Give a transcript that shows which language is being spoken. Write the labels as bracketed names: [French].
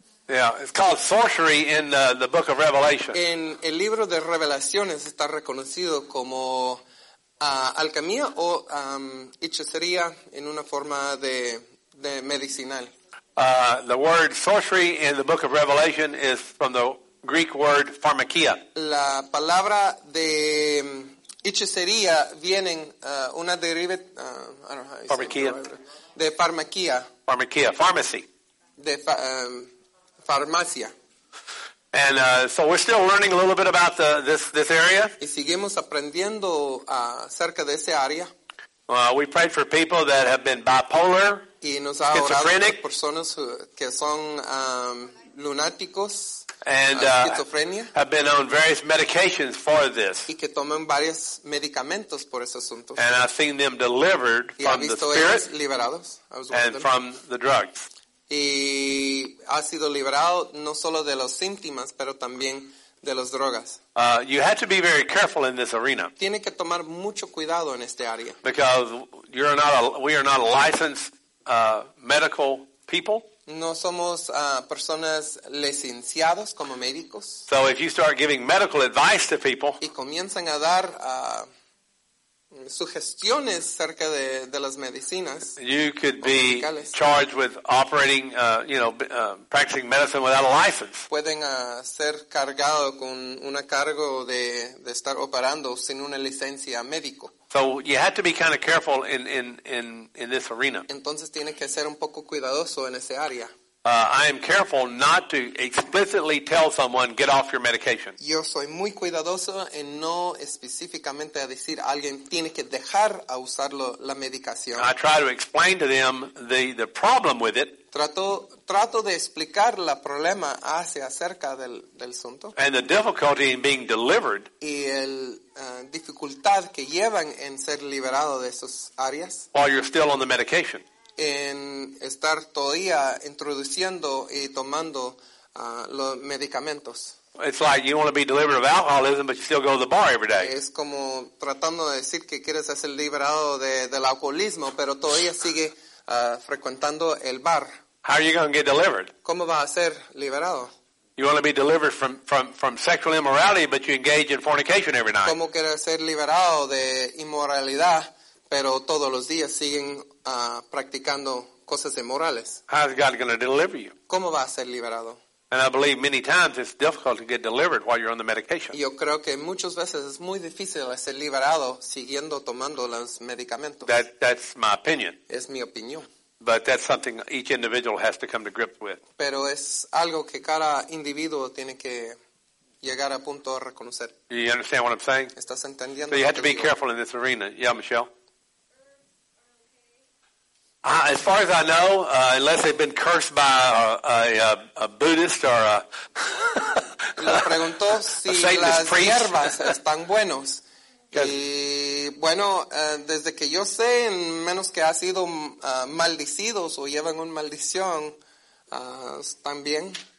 [English] Yeah, it's called sorcery in the book of Revelation. [Spanish] En el libro de Revelaciones está reconocido como alquimia o hechicería en una forma de medicinal. [English] The word sorcery in the book of Revelation is from the Greek word pharmakia. [Spanish] La palabra de hechicería viene una deriva [English] pharmakia. [Spanish] De pharmakia. [English] Pharmakia, pharmacy. [Spanish] De farmacia. [English] And so we're still learning a little bit about this area. [Spanish] Y seguimos aprendiendo acerca de ese área. [English] We prayed for people that have been bipolar, [Spanish] y nos ha [English] schizophrenic, [Spanish] orado por personas que son lunáticos, [English] and [Spanish] schizofrenia, [English] have been on various medications for this. [Spanish] Y que toman varios medicamentos por ese asunto. [English] And I've seen them delivered [Spanish] y [English] from the spirit [Spanish] ellos liberados. [English] And from the drugs. [Spanish] Y ha sido liberado no solo de los síntomas, pero también de las drogas. [English] You have to be very careful in this arena. [Spanish] Tiene que tomar mucho cuidado en este área. [English] Because we are not a licensed medical people. [Spanish] No somos personas licenciadas como médicos. [English] So if you start giving medical advice to people. [Spanish] Y comienzan a dar sugestiones acerca de las medicinas. [English] You could be charged with operating, practicing medicine without a license. [Spanish] Pueden ser cargado con una cargo de estar operando sin una licencia médico. [English] So you have to be kind of careful in this arena. [Spanish] Entonces tiene que ser un poco cuidadoso en ese área. [English] I am careful not to explicitly tell someone, get off your medication. [Spanish] Yo soy muy cuidadoso en no específicamente decir a alguien, tiene que dejar a usar la medicación. [English] I try to explain to them the problem with it. [Spanish] Trato de explicar la problema hacia acerca del asunto. [English] And the difficulty in being delivered. [Spanish] Y el dificultad que llevan en ser liberado de esas áreas. [English] While you're still on the medication. [Spanish] En estar todavía introduciendo y tomando los medicamentos. [English] It's like you want to be delivered of alcoholism, but you still go to the bar every day. [Spanish] Es como tratando de decir que quieres ser liberado del alcoholismo, pero todavía sigue frecuentando el bar. [English] How are you going to get delivered? [Spanish] ¿Cómo va a ser liberado? [English] You want to be delivered from sexual immorality, but you engage in fornication every night. [Spanish] ¿Cómo quieres ser liberado de inmoralidad, pero todos los días siguen practicando cosas inmorales? [English] How is God going to deliver you? [Spanish] ¿Cómo va a ser liberado? [English] And I believe many times it's difficult to get delivered while you're on the medication. [Spanish] Yo creo que muchas veces es muy difícil ser liberado siguiendo tomando los medicamentos. [English] That's my opinion. [Spanish] Es mi opinión. [English] But that's something each individual has to come to grips with. [Spanish] Pero es algo que cada individuo tiene que llegar a punto de reconocer. [English] You understand what I'm saying? [Spanish] ¿Estás entendiendo? [English] So you have to be careful in this arena. Yeah, Michelle? As far as I know, unless they've been cursed by a Buddhist or a le preguntó si a Satanist las priest. Hierbas están buenos. [Spanish] Y bueno, desde que yo sé, menos que ha sido maldecidos o llevan una maldición, están bien.